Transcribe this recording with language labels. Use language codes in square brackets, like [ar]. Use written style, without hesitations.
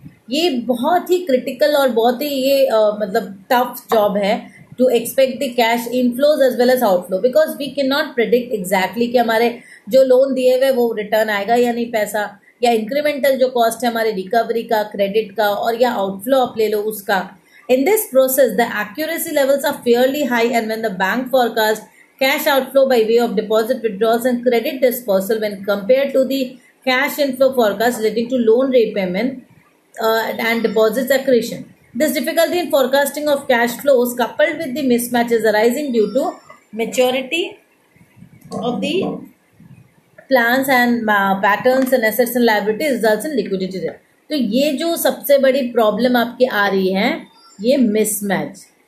[hi] ये बहुत ही क्रिटिकल और बहुत ही ये मतलब टफ जॉब है [en] to expect the cash inflows as well as outflow, because we can not predict exactly [hi] कि हमारे जो लोन दिए हुए वो रिटर्न आएगा या नहीं पैसा, या इंक्रीमेंटल जो कॉस्ट है हमारे रिकवरी का, क्रेडिट का, और या आउटफ्लो आप ले लो उसका. [en] In this process the accuracy levels are fairly high and when the bank forecast cash outflow by way of deposit withdrawals and credit dispersal when compared to the cash inflow forecast relating to loan repayment and deposits accretion. This difficulty in forecasting of cash flows coupled with the mismatches arising due to maturity of the plans and patterns and assets and liabilities results in liquidity. [hi] तो ये जो सबसे बड़ी problem आपकी आ रही है ये mismatch.